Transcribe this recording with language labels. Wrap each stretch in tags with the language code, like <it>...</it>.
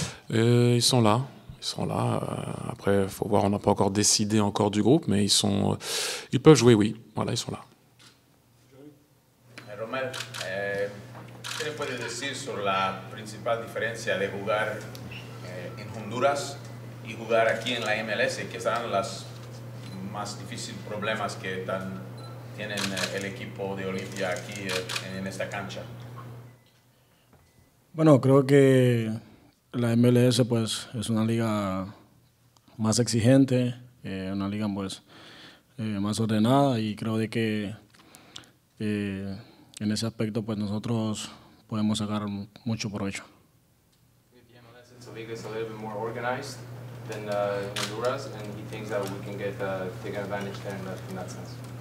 <fr>Ils sont là. Après, il faut voir, on n'a pas encore décidé encore du groupe, mais ils peuvent jouer, oui. Voilà, ils sont là.</fr> <es>Romel, ¿qué le puedes decir sobre la principal diferencia de jugar en Honduras y jugar aquí en la MLS? ¿Qué serán los más difíciles problemas que tienen el equipo de Olimpia aquí en esta cancha? Bueno, creo que la MLS pues es una liga más exigente, una liga pues más ordenada, y creo de que en ese aspecto pues nosotros podemos sacar mucho provecho.</es> <en>The MLS is a league that's a little bit more organized than Honduras, and he thinks that we can get take advantage there in that sense.</en>